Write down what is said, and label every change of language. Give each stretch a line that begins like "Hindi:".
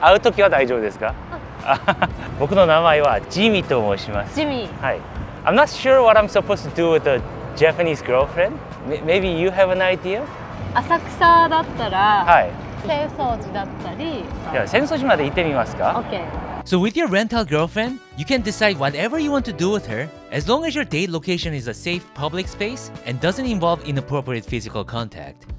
Japanese: 会う時は大丈夫ですか?
English: Oh.
Japanese: 僕の名前はジミと申します。ジミ? はい。
English: I'm not sure what I'm supposed to do with a Japanese girlfriend. Maybe you have an idea?
Japanese: 浅草だったら 浅草寺だったり Yeah, 浅草寺まで行ってみますか?
English: Okay. So with your rental girlfriend, you can decide whatever you want to do with her, as long as your date location is a safe public space and doesn't involve inappropriate physical contact.